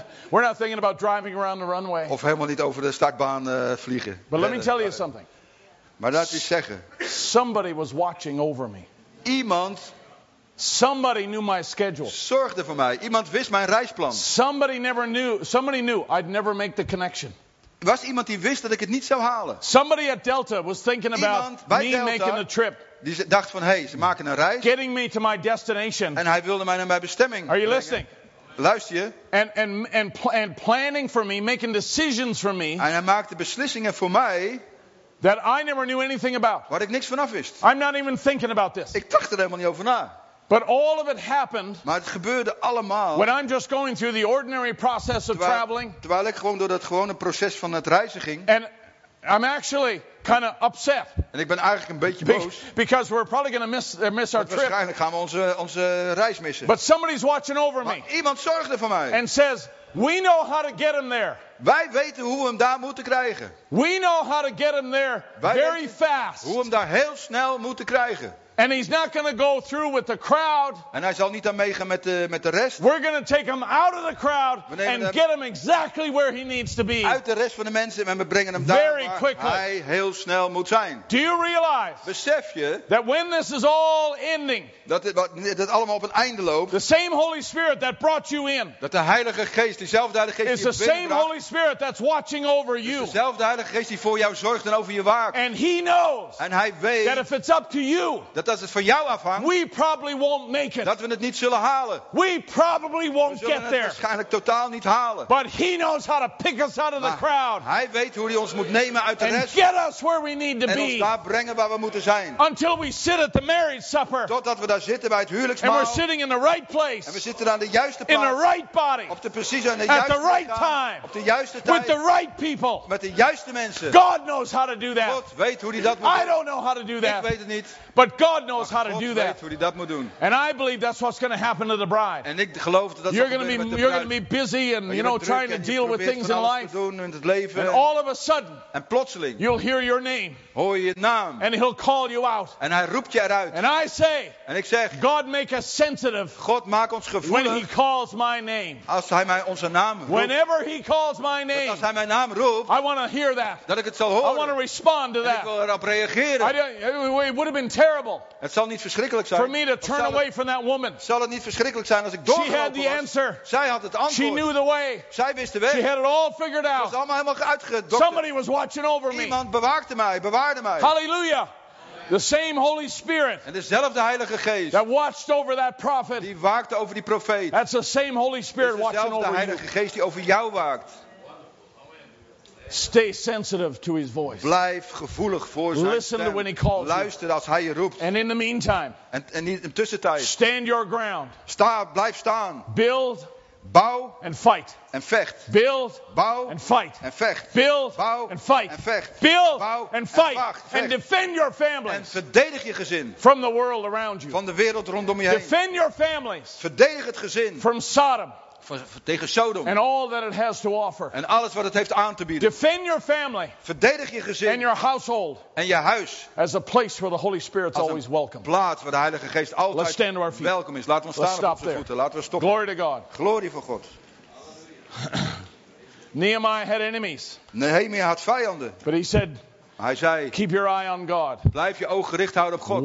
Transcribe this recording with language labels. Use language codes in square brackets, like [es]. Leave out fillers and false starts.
[en] We're not thinking about driving around the runway. [nl] Of helemaal niet over de startbaan vliegen. [en] But let me tell you something. [nl] Maar laat eens zeggen. [en] Somebody was watching over me. [nl] Iemand. [en] Somebody knew my schedule. [nl] Zorgde voor mij. Iemand wist mijn reisplan. [en] Somebody knew I'd never make the connection. [nl] Was iemand die wist dat ik het niet zou halen? [en] Somebody at Delta was thinking about [nl] iemand [en] me Delta, making the trip. [nl] Die dacht van hey, ze maken een reis. [en] Getting me to my destination. [nl] En hij wilde mij naar mijn bestemming. [en] Are you listening? [nl] Luister je? [en] And planning for me, making decisions for me. [nl] En hij maakte beslissingen voor mij. [en] That I never knew anything about. [nl] Waar ik niks vanaf wist. [en] I'm not even thinking about this. [nl] Ik dacht er helemaal niet over na. [en] But all of it happened. [nl] Maar het gebeurde allemaal. [en] When I'm just going through the ordinary process of traveling. [nl] Terwijl ik gewoon door dat gewone proces van het reizen ging. [en] And I'm actually kind of upset. [nl] En ik ben eigenlijk een beetje boos. [en] Because we're probably going to miss our trip. [nl] Waarschijnlijk gaan we onze reis missen. [en] But somebody's watching over me. [nl] Maar iemand zorgde voor mij. [en] And says, we know how to get him there. [nl] Wij weten hoe we hem daar moeten krijgen. [en] We know how to get him there very fast. [nl] Hoe we hem daar heel snel moeten krijgen. [en] And he's not going to go through with the crowd. [nl] En hij zal niet dan meegaan met de rest. [en] We're going to take him out of the crowd and get him exactly where he needs to be. [nl] Uit de rest van de mensen en we brengen hem daar waar hij heel snel moet zijn. [en] Do you realize? [nl] Besef je [en] that when this is all ending? [nl] Dat allemaal op een einde loopt. [en] The same Holy Spirit that brought you in. [nl] Dat de Heilige Geest, dezelfde Heilige Geest die binnen [en] Is the same Holy Spirit that's watching over you. [nl] Dezelfde Heilige Geest die voor jou zorgt en over je waakt. [en] And he knows. [nl] En hij weet. [en] That if it's up to you. [nl] Dat als het van jou afhangt, [en] we probably won't make it. [nl] Dat we het niet zullen halen. [en] We probably won't get there. [nl] We zullen het waarschijnlijk totaal niet halen. [en] But he knows how to pick us out of the crowd. [nl] Hij weet hoe hij ons moet nemen uit de rest. [en] And get us where we need to be. [nl] En ons daar brengen waar we moeten zijn. [en] Until we sit at the marriage supper. [nl] Totdat we daar zitten bij het huwelijksmaal. [en] And we're sitting in the right place. [nl] En we zitten aan de juiste plaats. [en] In the right body. [nl] Op de precieze en de juiste [en] at the right time. [nl] Op de juiste tijd. [en] With the right people. [nl] Met de juiste mensen. [en] God knows how to do that. [nl] God weet hoe hij dat moet doen. [en] I don't know how to do that. [nl] Ik weet het niet. [en] But God knows how to do that. [nl] Hoe hij dat moet doen. [en] And I believe that's what's going to happen to the bride. [nl] En ik geloof dat [en] you're going to be busy and you know trying to deal with things in life. [nl] En [en] all of a sudden. [nl] En plotseling. [en] You'll hear your name. [nl] Hoor je naam. [en] And he'll call you out. [nl] En hij roept je eruit. [en] And I say. [nl] En ik zeg. [en] God make us sensitive. [nl] God maak ons gevoelig. [en] When he calls my name. [nl] Als hij mij onze naam roept. [en] Whenever he calls my name. [nl] Als hij mijn naam roept. [en] I want to hear that. [nl] Dat ik het zal horen. [en] I want to respond to that. [nl] Ik wil erop reageren. [en] It would have been terrible. [nl] Het zal niet verschrikkelijk zijn. [en] For me to turn away from that woman. [nl] Zal het niet verschrikkelijk zijn als ik doorgelopen was? [en] She had the answer. [nl] Zij had het antwoord. [en] She knew the way. [nl] Zij wist de weg. [en] She had it all figured out. [nl] Het was allemaal helemaal uitgedokterd. [en] Somebody was watching over me. [nl] Iemand bewaakte mij, bewaarde mij. [en] Hallelujah. The same Holy Spirit. [nl] En dezelfde Heilige Geest. [en] That watched over that prophet. [nl] Die waakte over die profeet. [en] That's the same Holy Spirit watching over you. [nl] Dezelfde Heilige Geest die over jou waakt. [en] Stay sensitive to his voice. [nl] Blijf gevoelig voor zijn [en] Listen [nl] stem. [en] To when he calls [nl] Luister [en] you. [nl] Als hij je roept. [en] And in the meantime, [nl] en in de tussentijd. [en] Stand your ground. [nl] Sta, blijf staan. [en] Build. [nl] Bouw. [en] And fight. [nl] En vecht. [en] Build. [nl] Bouw. [en] And fight. [nl] En vecht. [en] Build. [nl] Bouw. [en] And fight. [nl] En vecht. [en] Build. [nl] Bouw. [en] And fight. [nl] En vecht. [en] And defend your families. [nl] En verdedig je gezin. [en] From the world around you. [nl] Van de wereld rondom je [en] defend [nl] heen. [en] Defend your families. [nl] Verdedig het gezin. [en] From Sodom. [nl] Tegen Sodom. [en] And all that it has to offer. [nl] En alles wat het heeft aan te bieden. [en] Defend your family. [nl] Verdedig je gezin. [en] And your household. [nl] En je huis. [en] As a place where the Holy Spirit's always welcome. [nl] Plaats waar de Heilige Geest altijd [en] Let's stand to our feet. [nl] Welkom is. Laten we staan op onze voeten. Laten we stoppen. [en] Glory to God. [nl] Glorie voor God. [en] Nehemiah had enemies. [nl] Nehemia had vijanden. [en] But he said, [nl] hij zei, [en] keep your eye on God. [nl] Blijf je oog gericht houden op God.